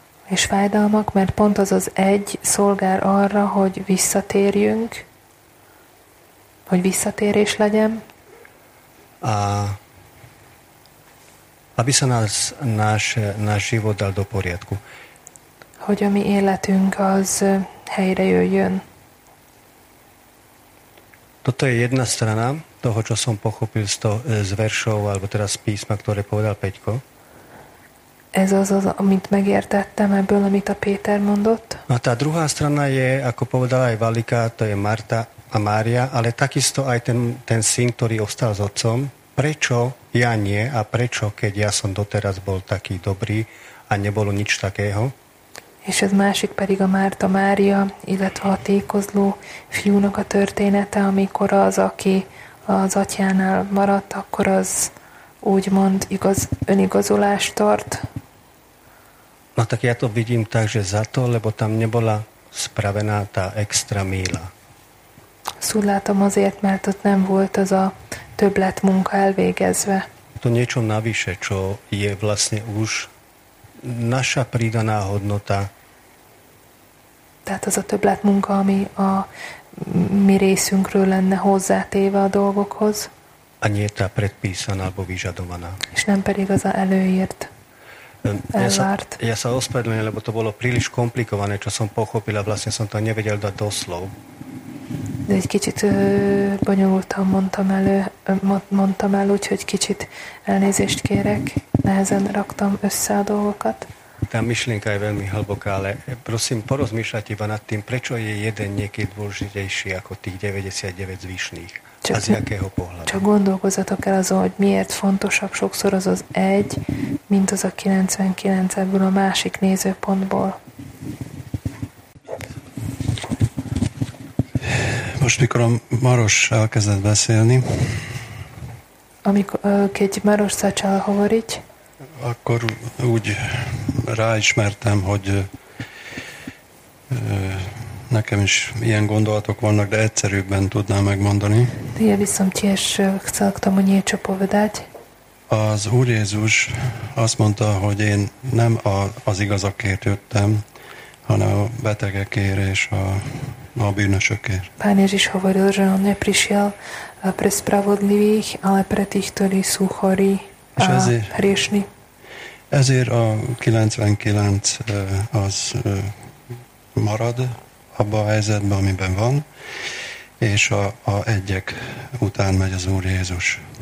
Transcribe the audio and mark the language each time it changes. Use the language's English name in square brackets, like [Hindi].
[Hungarian] És fájdalmak, mert pont az az egy szolgál arra, hogy visszatérjünk, hogy visszatérés legyen. [Slovak] A aby sa náš život dal do poriadku. [Hungarian] Hogy a mi életünk az helyre jöjjön. [Slovak] Toto je jedna strana toho, čo som pochopil z, to, z veršov, alebo teda z písma, ktoré povedal Peťko. [Hungarian] Ez az, az amit megértettem ebből, amit a Péter mondott. [Slovak] No a tá druhá strana je, ako povedala aj Valika, to je Marta a Mária, ale takisto aj ten syn, ktorý ostal s otcom. Prečo ja nie a prečo, keď ja som doteraz bol taký dobrý a nebolo nič takého? [Hungarian] És ez másik pedig a Márta Mária, illetve a tékozló fiúnak a története, amikor az, aki az atyánál maradt, akkor az úgymond önigazolást tart. [Slovak] No tak ja to vidím tak, že za to, lebo tam nebola spravená tá extra míla. [Hungarian] Szóval látom azért, mert ott nem volt az a többlet munka elvégezve. [Slovak] To niečo navyše, čo je vlastne už naša pridaná hodnota. [Hungarian] Tehát az a többlet munka, ami a mi részünkről lenne hozzátéve a dolgokhoz. [Slovak] A nie tá predpísaná, alebo vyžadovaná. [Hungarian] És nem pedig az a előírt, elvárt. [Slovak] Ja sa ospravedlňujem, lebo to bolo príliš komplikované, čo som pochopil a vlastne som to nevedel dať do slov. [Hungarian] De egy kicsit bonyolultan mondtam el, úgyhogy kicsit elnézést kérek. Nehezen raktam össze a dolgokat. [Slovak] Tá myšlienka je veľmi hlboká, ale prosím, porozmýšľať iba nad tým, prečo je jeden niekedy dôležitejší ako tých 99 zvyšných. Čo, a z jakého pohľadu? [Hungarian] Čo gondolkozzatok el azon, hogy miért fontosabb sokszor az az egy, mint az a 99 ebből a másik nézőpontból. Most mikor a Maros elkezdett beszélni, amikor egy [Slovak] Maros začal hovoriť, [Hungarian] akkor úgy ráismertem, hogy nekem is ilyen gondolatok vannak, de egyszerűbben tudnám megmondani. [Slovak] Ja [Hungarian] viszont [Slovak] tiež chceltam o niečo povedať. [Hungarian] Az Úr Jézus azt mondta, hogy én nem az igazakért jöttem, hanem a betegekért és a bűnösökért. [Slovak] Pán Ježiš hovoril, že on neprišiel pre spravodlivých, ale pre tých, ktorí sú chorí a hriešni. [Hungarian] Ezért a 99 az marad abban a helyzetben, amiben van, és a egyek után megy az Úr Jézus.